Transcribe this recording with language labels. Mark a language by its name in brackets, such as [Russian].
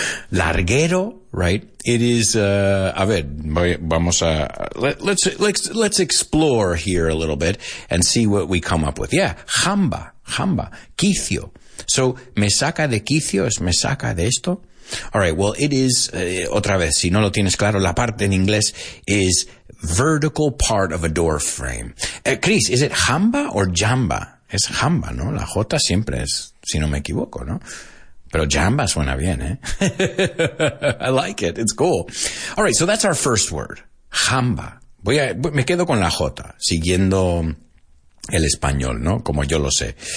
[English] Larguero, right? It is, let's explore here a little bit and see what we come up with. Yeah, jamba, quicio. So, [Spanish] me saca de quicio es me saca de esto. [English] All right, well, it is, [Spanish] otra vez, si no lo tienes claro, la parte en inglés [English] is vertical part of a door frame. [Spanish] Chris, [English] is it jamba or jamba? [Spanish] Es jamba, ¿no? La J siempre es, si no me equivoco, ¿no? Pero jamba suena bien, ¿eh? [English] I like it. It's cool. All right, so that's our first word, jamba. [Spanish] Me quedo con la J, siguiendo el español, ¿no? Como yo lo sé.